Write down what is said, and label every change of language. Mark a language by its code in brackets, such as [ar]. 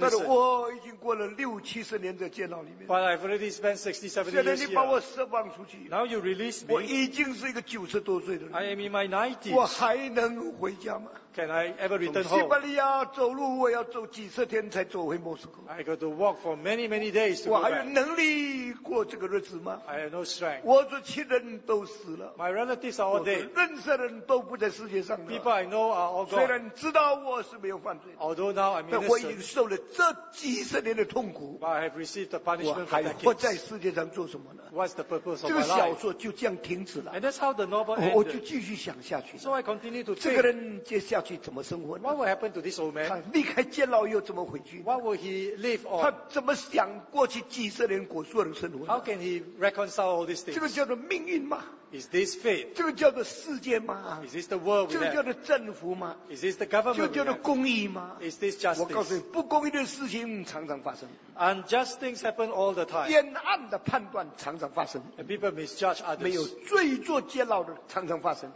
[zh] 但是我已经过了六七十年的监牢里面。 [en] But I've already spent 60-70 years here. [zh] 现在你把我释放出去。 [en] Now you release me. [zh] 我已经是一个90多岁的人。 [en] I am in my 90s. [zh] 我还能回家吗？ [en] Can I ever return home? [zh] 从西伯利亚走路, 我要走几十天才走回莫斯科。 [en] I got to walk for many, many days to go back. [zh] 我还有能力过这个日子吗? [en] I have no strength. [zh] 我的亲人都死了。 [en] My relatives are all dead. [zh] 我认识的人都不在世界上了。 [en] People I know are all gone. [zh] 虽然知道我是没有犯罪的。 [en] Although now I'm innocent. [zh] 但我已经受了这几十年的痛苦。 [en] But I have received the punishment for decades. [zh] 我还活在世界上做什么呢? [en] What's the purpose of my life? [zh] 这个小说就这样停止了。 [en] And that's how the novel ended. [zh] 我就继续想下去。 [en] So I continue to think. [zh] 这个人接下来 [en] What will happen to this old man? [zh] 他离开监牢又怎么回去? [en] What will he live on? [zh] 他怎么想过去几十年果树的生活? [en] How can he reconcile all these things? [zh] 这个叫做命运吗? [en] Is this fate? [zh] 这个叫做世界吗? [en] Is this the world we have? [zh] 这个叫做政府吗? [en] Is this the government? [zh] 这个叫做公义吗? [en] Is this justice? [zh] 我告诉你, 不公义的事情常常发生。 [en] Unjust things happen all the time. [zh] 冤案的判断常常发生。 [en] And people misjudge others. [zh] 没有罪坐监牢的常常发生。